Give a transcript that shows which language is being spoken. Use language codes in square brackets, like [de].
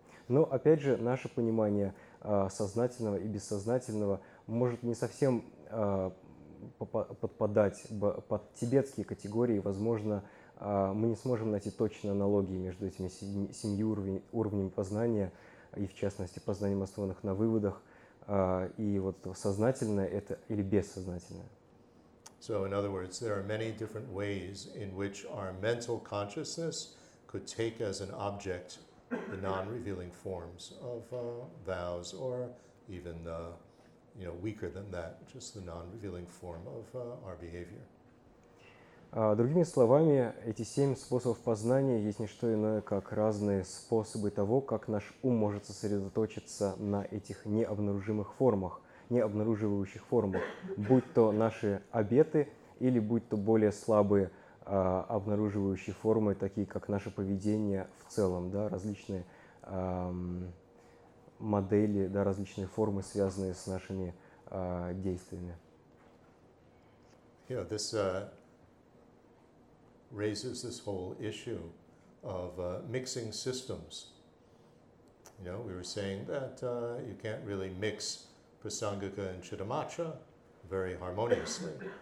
[ru] Но, опять же, наше понимание сознательного и бессознательного может не совсем подпадать под тибетские категории, возможно, мы не сможем найти точные аналогии между этими семью уровнями познания, и в частности познанием, основанных на выводах, и вот сознательное это или бессознательное. [en] So, in other words, there are many different ways in which our mental consciousness could take as an object the non-revealing forms of vows, or even you know, weaker than that, just the non-revealing form of our behavior. [ru] Другими словами, эти семь способов познания есть не что иное, как разные способы того, как наш ум может сосредоточиться на этих необнаружимых формах, необнаруживающих формах, будь то наши обеты или будь то более слабые обнаруживающие формы, такие как наше поведение в целом, да, различные модели, да, различные формы, связанные с нашими действиями. [en] Yeah, this raises this whole issue of mixing systems. You know, we were saying that you can't really mix prasangika and chittamatra very harmoniously.